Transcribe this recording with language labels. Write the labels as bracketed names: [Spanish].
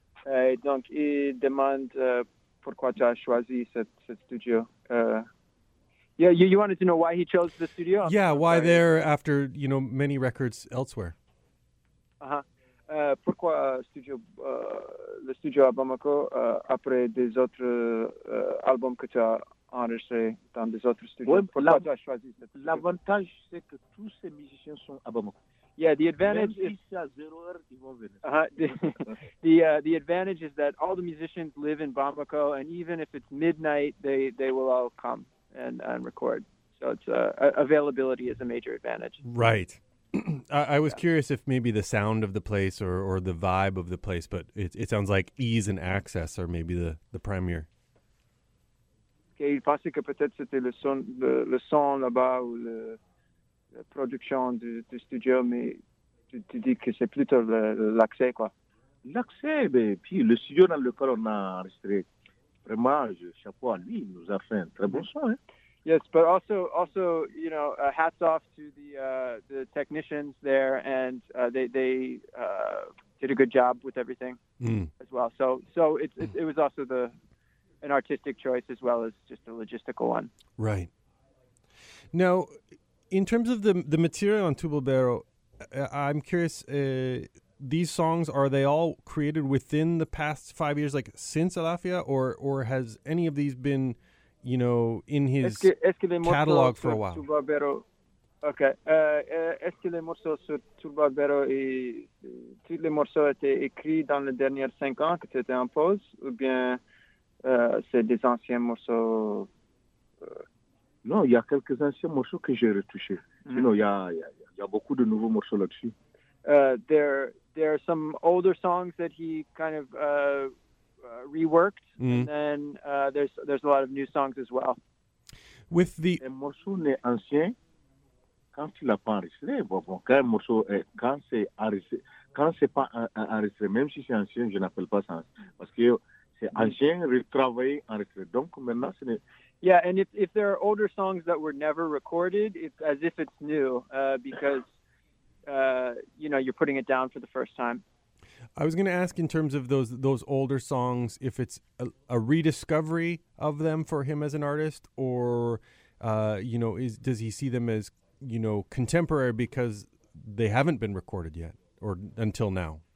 [French] Et donc, il demande pourquoi tu as choisi cette studio. [English] You wanted to know why he chose the studio? Yeah, why there after, you know, many records elsewhere. [French] Pourquoi le studio à Bamako après des autres albums que tu as enregistrés dans des autres studios? Ouais, pourquoi tu as choisi cette studio? L'avantage, c'est que tous ces musiciens sont à Bamako. [English] Yeah, the advantage [French] même [English] is... [French] Même si c'est à 0 heure, ils vont venir. [English] The advantage is that all the musicians live in Bamako, and even if it's midnight, they will all come and record. So it's availability is a major advantage. Right. I was curious if maybe the sound of the place or the vibe of the place, but it sounds like ease and access are maybe the premier. [French] Okay, il pensait que peut-être c'était le son là-bas ou la production du studio, mais tu dis que c'est plutôt l'accès, quoi. L'accès, ben, puis le studio dans lequel on a enregistré, vraiment, chapeau à lui, il nous a fait un très bon son, hein. [English] Yes, but also, you know, hats off to the technicians there, and they did a good job with everything as well. So it was also an artistic choice as well as just a logistical one. Right. Now, in terms of the material on Tubalbero, I'm curious, these songs, are they all created within the past 5 years, like since Alafia, or has any of these been, you know, in his catalogue for a while? Tubalbero? Okay. [French] Est-ce que les morceaux sur Tubalbero et tous les morceaux étaient écrits dans les derniers 5 ans que tu étais en pause, ou bien c'est des anciens morceaux? Non, il y a quelques anciens morceaux que j'ai retouchés. Mm-hmm. Sinon, il y a beaucoup de nouveaux morceaux là-dessus. [English] There are some older songs that he kind of reworked, and then there's a lot of new songs as well. With the [French] morceau n'est ancien quand tu l'as pas enregistré. Bon, quand un morceau est, quand c'est enregistré, quand c'est pas enregistré, même si c'est ancien, je n'appelle pas ça parce que c'est ancien, retravaillé, enregistré. Donc maintenant, ce n'est... [English] Yeah, and if there are older songs that were never recorded, it's as if it's new, because you know, you're putting it down for the first time. I was going to ask in terms of those older songs, if it's a rediscovery of them for him as an artist, or, you know, does he see them as, you know, contemporary because they haven't been recorded yet or until now?